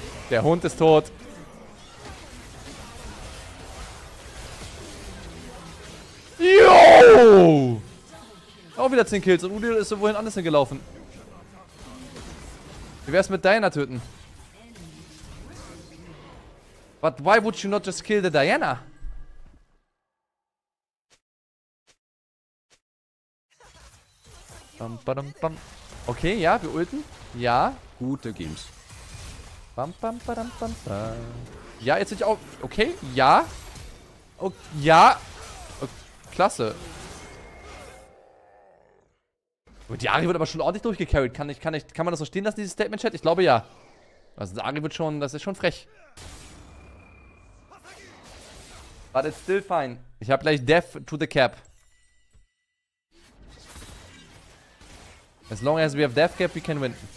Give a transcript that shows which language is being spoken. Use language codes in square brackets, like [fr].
[de] Der Hund ist tot. Yo! Auch wieder 10 Kills und Udyr ist so wohin anders hingelaufen. Wie wär's mit Diana töten? [en] But why would you not just kill the Diana? [de] Bam, bam, bam. Okay, ja, wir ulten. Ja. Gute Games. Bam, bam, badam, bam, bam. Ja, jetzt sind ich auch. Okay, ja. Oh, ja. Oh, klasse. Und die Ari wird aber schon ordentlich durchgecarried. Kann man das so stehen lassen, dieses Statement Chat? Ich glaube ja. Also die Ari wird schon, das ist schon frech. [en] But it's still fine. [de] Ich habe gleich Death to the Cap. [en] As long as we have Death Cap, we can win.